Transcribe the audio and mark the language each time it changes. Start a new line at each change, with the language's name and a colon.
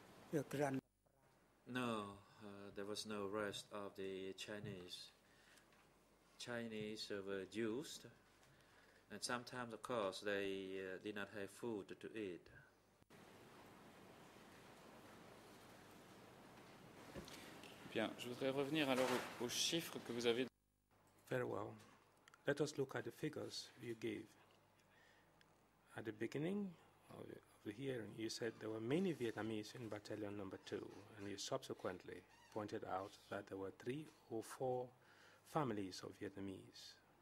English: No, there was no arrest of the Chinese. Chinese were used. And sometimes, of course, they did not have food to eat.
French: Bien, je voudrais revenir alors aux chiffres que vous avez.
English: Very well. Let us look at the figures you gave. At the beginning of the hearing, you said there were many Vietnamese in battalion number 2, and you subsequently pointed out that there were 3 or 4 families of Vietnamese.